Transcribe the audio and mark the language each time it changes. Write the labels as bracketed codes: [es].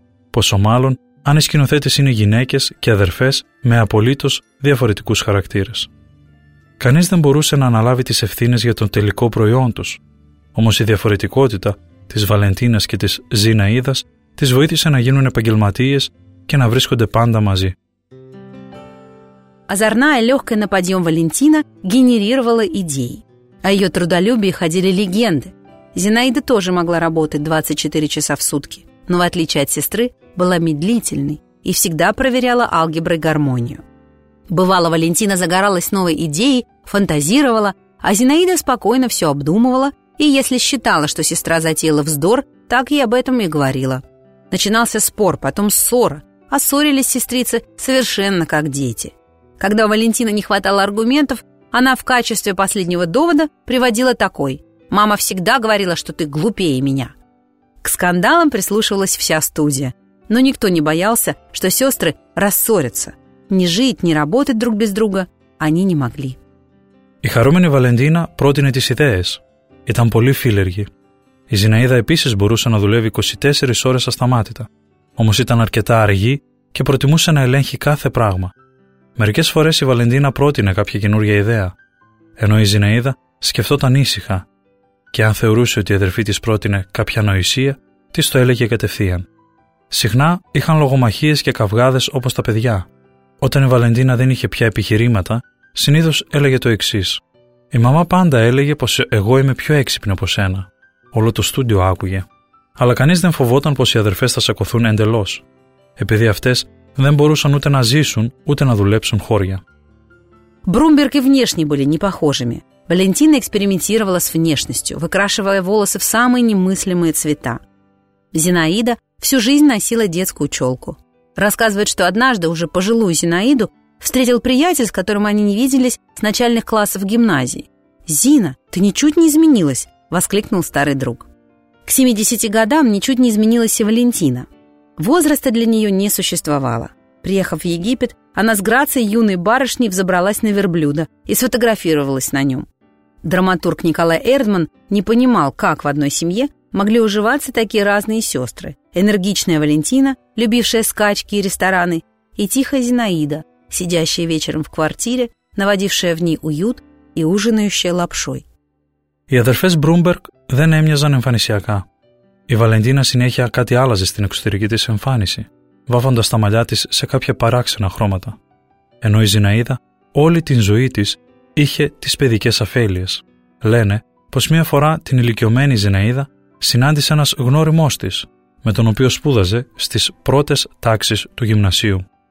[el] Πόσο μάλλον αν οι σκηνοθέτες είναι γυναίκες και αδερφές με απολύτως διαφορετικούς χαρακτήρες. Κανείς δεν μπορούσε να αναλάβει τις ευθύνες για τον τελικό προϊόν τους. Όμως η διαφορετικότητα της Βαλεντίνας και της Ζιναίδας τις βοήθησε να γίνουν επαγγελματίες και να βρίσκονται πάντα μαζί. [ru] Озорная, легкая на подъем Валентина генерировала идеи. О ее трудолюбии ходили легенды. Зинаида тоже могла работать 24 часа в сутки, но, в отличие от сестры, была медлительной и всегда проверяла алгебры гармонию. Бывало, Валентина загоралась новой идеей, фантазировала, а Зинаида спокойно все обдумывала и, если считала, что сестра затеяла вздор, так ей об этом и говорила. Начинался спор, потом ссора, а ссорились сестрицы совершенно как дети. Когда у Валентины не хватало аргументов, она в качестве последнего довода приводила такой: «Мама всегда говорила, что ты глупее меня». К скандалам прислушивалась вся студия, но никто не боялся, что сестры рассорятся. Ни жить, ни работать друг без друга они не могли. [el] Η χαρούμενη Βαλεντίνα πρότεινε τις ιδέες. Ήταν πολύ φίλεργη. Η Ζιναίδα επίσης μπορούσε να δουλεύει 24 ώρες ασταμάτητα. Όμως ήταν αρκετά αργή και προτιμούσε να ελέγχει κάθε πράγμα. Μερικές φορές η Βαλεντίνα πρότεινε κάποια καινούργια ιδέα, ενώ η Ζιναίδα σκεφτόταν ήσυχα και αν θεωρούσε ότι η αδερφή της πρότεινε κάποια νοησία, της το έλεγε κατευθείαν. Συχνά είχαν λογομαχίες και καυγάδες όπως τα παιδιά. Όταν η Βαλεντίνα δεν είχε πια επιχειρήματα, συνήθως έλεγε το εξής: «Η μαμά πάντα έλεγε πως εγώ είμαι πιο έξυπνη από σένα. Όλο το στούντιο άκουγε. αλλά κανείς δεν φοβόταν πως οι αδερφές θα σακωθούν εντελώς, επειδή αυτές δεν μπορούσαν ούτε να ζήσουν ούτε να δουλέψουν χώρια. Μπρούμπερκ και [ru] внешне были непохожими. Валентина экспериментировала с внешностью, выкрашивая волосы в самые немыслимые цвета. Зинаида всю жизнь носила детскую челку. Рассказывает, что однажды уже пожилую Зинаиду встретил приятель, с которым они не виделись с начальных классов гимназии. «Зина, ты ничуть не изменилась!» – воскликнул старый друг. К 70 годам ничуть не изменилась и Валентина. Возраста для нее не существовало. Приехав в Египет, она с грацией юной барышни взобралась на верблюда и сфотографировалась на нем. Драматург Николай Эрдман не понимал, как в одной семье могли уживаться такие разные сестры. Энергичная Валентина, любившая скачки и рестораны, и тихая Зинаида, сидящая вечером в квартире, наводившая в ней уют и ужинающая лапшой. [el] Οι αδερφές Μπρούμπερκ δεν έμοιαζαν εμφανισιακά. Η Βαλεντίνα συνέχεια κάτι άλλαζε στην εξωτερική της εμφάνιση, βάφοντας τα μαλλιά της σε κάποια παράξενα χρώματα. Ενώ η Ζιναίδα όλη την ζωή της είχε τις παιδικές αφέλειες. Λένε πως μία φορά την ηλικιωμένη Ζιναίδα συνάντησε ένας γνώριμός της, με τον οποίο σπούδαζε στις πρώτες τάξεις του γυμνασίου.